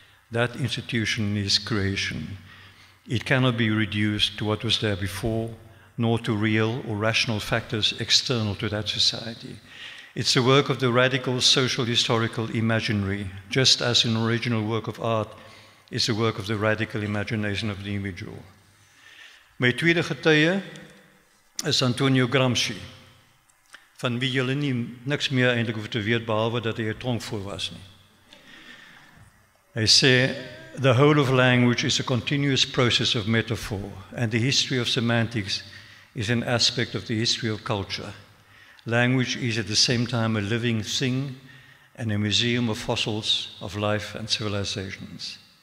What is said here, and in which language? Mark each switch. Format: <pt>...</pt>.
<en>That institution is creation. It cannot be reduced to what was there before, nor to real or rational factors external to that society. It's the work of the radical social historical imaginary, just as an original work of art is the work of the radical imagination of the individual.</en> <af>My tweede getuie is Antonio Gramsci, van wie julle nie niks meer eintlik hoef te weet behalwe dat hy 'n tronkvoer was nie. Hy sê,</af> <en>"The whole of language is a continuous process of metaphor, and the history of semantics is an aspect of the history of culture. Language is at the same time a living thing and a museum of fossils of life and civilizations."</en>